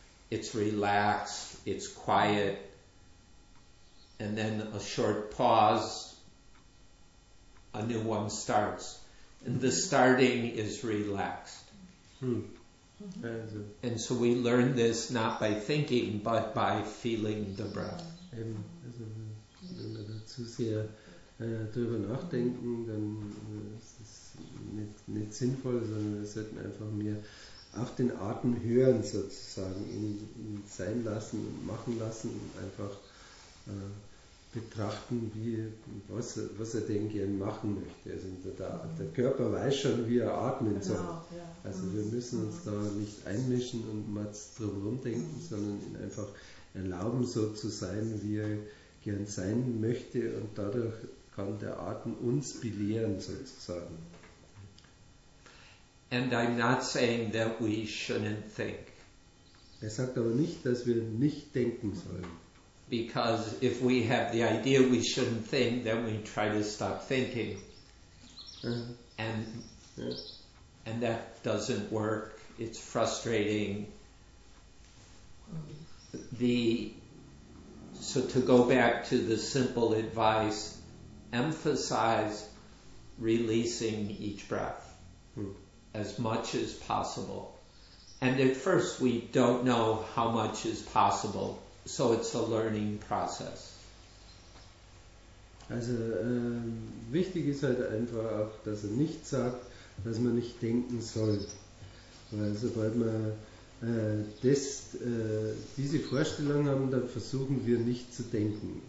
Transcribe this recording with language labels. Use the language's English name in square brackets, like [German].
[English] It's relaxed, it's quiet, and then a short pause, a new one starts. And the starting is relaxed. Mm-hmm. And so we learn this not by thinking, but by feeling the breath. [German] Also, wenn wir da zu sehr drüber nachdenken, dann ist es nicht sinnvoll, sondern wir sollten einfach mehr auf den Atem hören, sozusagen, ihn sein lassen, machen lassen und einfach betrachten, wie, was er denn gern machen möchte. Also der Körper weiß schon, wie er atmen genau, soll. Ja. Also wir müssen uns da nicht einmischen und mal drum rumdenken, sondern ihn einfach erlauben, so zu sein, wie er gern sein möchte. Und dadurch kann der Atem uns belehren, sozusagen. [English] And I'm not saying that we shouldn't think. [German] Er sagt aber nicht, dass wir nicht denken sollen. [English] Because if we have the idea we shouldn't think, then we try to stop thinking. Uh-huh. And, yeah. And that doesn't work. It's frustrating. So to go back to the simple advice, emphasize releasing each breath as much as possible. And at first we don't know how much is possible. So it's a learning process. [German] Also wichtig ist halt einfach auch, dass er nicht sagt, dass man nicht denken soll. Weil sobald wir diese Vorstellung haben, dann versuchen wir nicht zu denken.